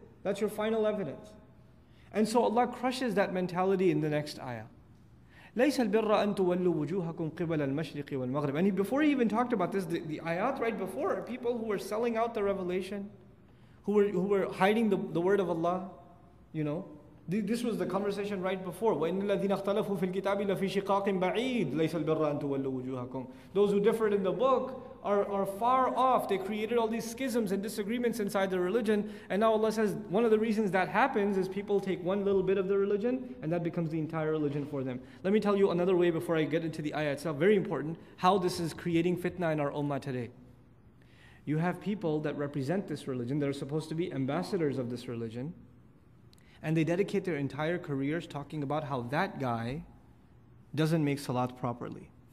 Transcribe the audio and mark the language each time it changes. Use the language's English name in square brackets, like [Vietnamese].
[English] That's your final evidence. And so Allah crushes that mentality in the next ayah. [Arabic] لَيْسَ الْبِرَّ أَن تُوَلُّوا وُجُوهَكُمْ قِبَلَ الْمَشْرِقِ وَالْمَغْرِبِ [English] And before he even talked about this, the ayat right before, people who were selling out the revelation, who were hiding the word of Allah, you know, this was the conversation right before. [Arabic] وَإِنَّ الَّذِينَ اخْتَلَفُوا فِي الْكِتَابِ لَفِي شِقَاقٍ بَعِيدٍ لَيْسَ الْبِرَّ أَن تُوَلُّوا وُجُوهَكُمْ [English] Those who differed in the book are far off. They created all these schisms and disagreements inside the religion. And now Allah says, one of the reasons that happens is people take one little bit of the religion and that becomes the entire religion for them. Let me tell you another way before I get into the ayah itself, very important, how this is creating fitna in our ummah today. You have people that represent this religion, that are supposed to be ambassadors of this religion, and they dedicate their entire careers talking about how that guy doesn't make salat properly.